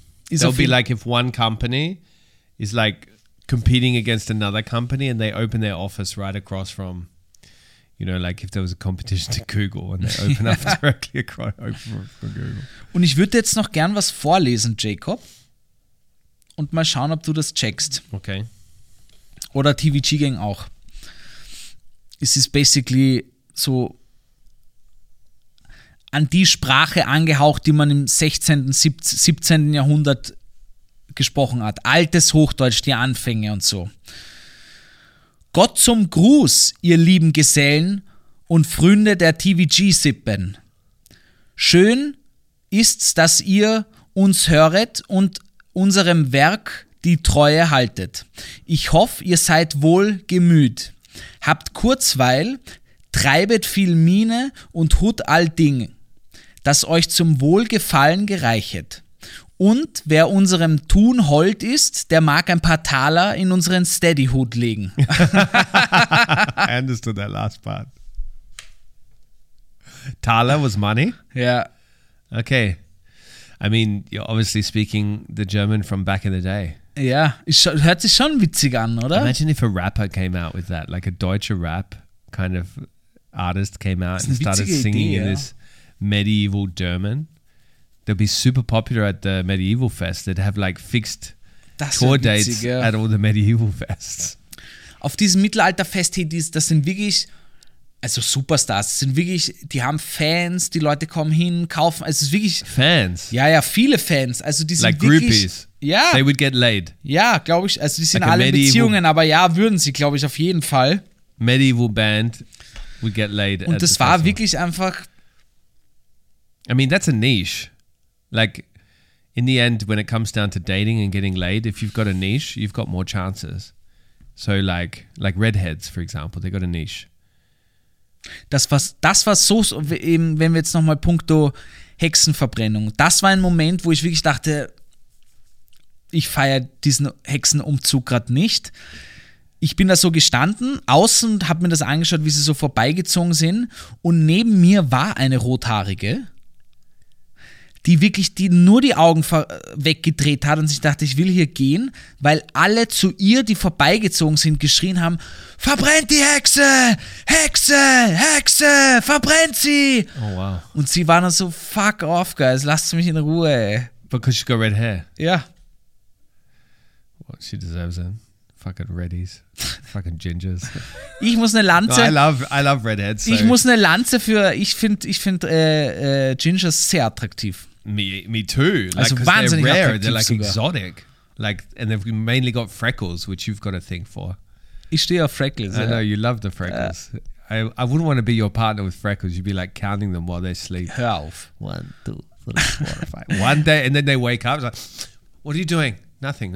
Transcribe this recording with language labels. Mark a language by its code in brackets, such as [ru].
[en] It'll be like if one company is like competing against another company and they open their office right across from, you know, like if there was a competition to Google and they open up directly across from Google. [de] Und ich würde jetzt noch gern was vorlesen, Jacob. Und mal schauen, ob du das checkst. Okay. Oder TVG Gang auch. Es ist basically so an die Sprache angehaucht, die man im 16., 17. Jahrhundert gesprochen hat. Altes Hochdeutsch, die Anfänge und so. Gott zum Gruß, ihr lieben Gesellen und Freunde der TVG-Sippen. Schön ist's, dass ihr uns höret und unserem Werk die Treue haltet. Ich hoffe, ihr seid wohl gemüht. Habt Kurzweil, treibet viel Miene und hut all Ding, das euch zum Wohlgefallen gereichet. Und wer unserem Tun hold ist, der mag ein paar Taler in unseren Steady-Hut legen. [en] I understood that last part. Taler was money? Yeah. Okay. I mean, you're obviously speaking the German from back in the day. [de] Yeah, hört sich schon witzig an, oder? [en] Imagine if a rapper came out with that, like a deutsche Rap kind of artist came out and started singing in this medieval German. They'd be super popular at the medieval fest. They'd have like fixed tour dates at all the medieval fests. [de] Auf diesem Mittelalterfest, das sind wirklich... Also Superstars, sind wirklich, die haben Fans, die Leute kommen hin, kaufen, also es ist wirklich... [en] Fans? [de] Ja, ja, viele Fans, also die sind like wirklich... [en] Like groupies? Ja. They would get laid? [de] Ja, glaube ich, also die sind like alle in Beziehungen, aber ja, würden sie, glaube ich, auf jeden Fall. [en] Medieval band would get laid. [de] Und das war festival. Wirklich einfach... [en] I mean, that's a niche. Like, in the end, when it comes down to dating and getting laid, if you've got a niche, you've got more chances. So like redheads, for example, they got a niche. [de] Das war so, eben, wenn wir jetzt nochmal punkto Hexenverbrennung, das war ein Moment, wo ich wirklich dachte, ich feiere diesen Hexenumzug gerade nicht. Ich bin da so gestanden, außen, und habe mir das angeschaut, wie sie so vorbeigezogen sind, und neben mir war eine Rothaarige, die wirklich die nur die Augen weggedreht hat und sich dachte, ich will hier gehen, weil alle zu ihr, die vorbeigezogen sind, geschrien haben, verbrennt die Hexe! Hexe! Hexe! Verbrennt sie! Oh, wow. Und sie waren dann so, [en] fuck off, guys, [de] lasst mich in Ruhe. [en] Because she's got red hair? Yeah. Well, she deserves it. Fucking reddies. Fucking gingers. [de] Ich muss eine Lanze... [en] No, I love redheads. So. [de] Ich muss eine Lanze für... Ich find gingers sehr attraktiv. [en] Me too. [de] Like, also wahnsinnig [en] they're rare. Attraktiv they're like [de] sogar. [en] Exotic. Like, and they've mainly got freckles, which you've got a thing for. [de] Ich stehe auf freckles. [en] I know, you love the freckles. I wouldn't want to be your partner with freckles. You'd be like counting them while they sleep. [de] Hör auf. [en] One, two, three, four, five. One day, and then they wake up. It's like, what are you doing? Nothing.